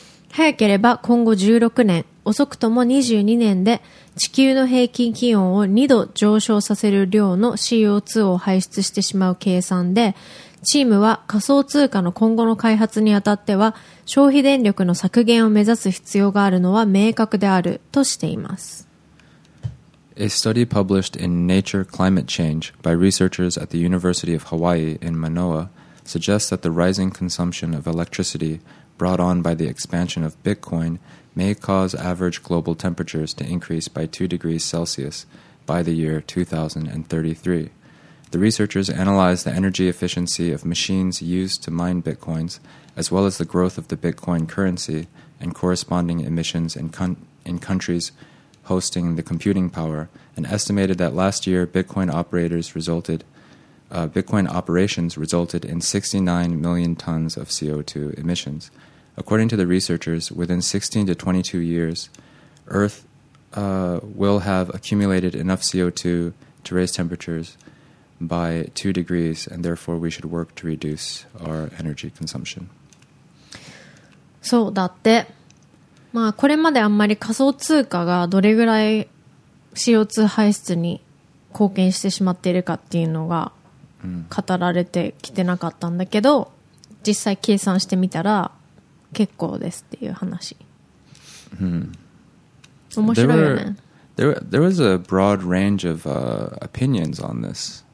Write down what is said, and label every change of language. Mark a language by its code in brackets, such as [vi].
[ja] 早ければ今後16年、遅くとも22年で地球の平均気温を2度上昇させる量の CO2 を排出してしまう計算で、チームは仮想通貨の今後の開発にあたっては消費電力の削減を目指す必要があるのは明確であるとしています。 [en] A study published in Nature Climate Change by researchers at the University of Hawaii in Manoa suggests that the rising consumption of electricity brought on by the expansion of Bitcoin may cause average global temperatures to increase by 2 degrees Celsius by the year 2033. The researchers analyzed the energy efficiency of machines used to mine Bitcoins, as well as the growth of the Bitcoin currency and corresponding emissions in countries hosting the computing power, and estimated that last year Bitcoin operations resulted in 69 million tons of CO2 emissions. According to the researchers, within 16 to 22 years, Earth will have accumulated enough CO2 to raise temperatures by 2 degrees, and therefore we should work to reduce our energy consumption. [ja] そうだって。まあ、これまであんまり仮想通貨がどれぐらい CO2 排出に貢献してしまっているかっていうのが語られてきてなかったんだけど、実際計算してみたら結構ですっていう話。うん、面白いよね。 [en] There was a broad range of opinions on this.